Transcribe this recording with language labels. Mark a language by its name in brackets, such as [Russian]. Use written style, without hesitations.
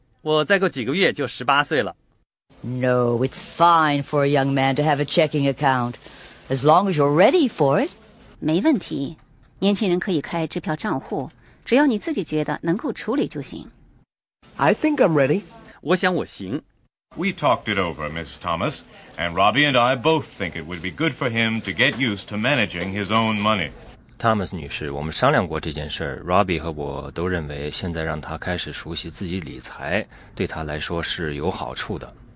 [Chinese] 我再过几个月就18岁了。 [English] No, it's fine for a young man to have a checking account, as long as you're ready for it. [Chinese] 没问题，年轻人可以开支票账户，只要你自己觉得能够处理就行。 [English] I think I'm ready. [Chinese] 我想我行。 [English] We talked it over, Mrs. Thomas, and Robbie and I both think it would be good for him to get used to managing his own money. [Chinese] Thomas 女士，我们商量过这件事儿。 Robbie 和我都认为，现在让他开始熟悉自己理财，对他来说是有好处的。